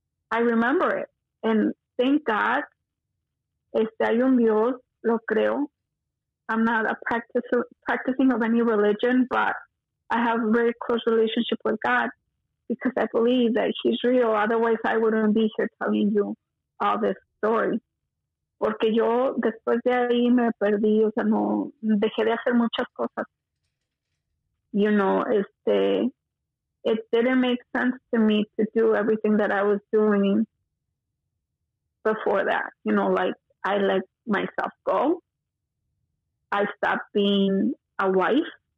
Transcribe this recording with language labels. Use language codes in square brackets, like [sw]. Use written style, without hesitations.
[en] I remember it, and thank God, [es] hay un Dios, lo creo. [en] I'm not a practicing of any religion, but I have a very close relationship with God because I believe that he's real. Otherwise, I wouldn't be here telling you all this story. [es] Porque yo después de ahí me perdí, o sea, no dejé de hacer muchas cosas. [en] You know, it didn't make sense to me to do everything that I was doing before that. You know, like, I let myself go. I stopped being a wife.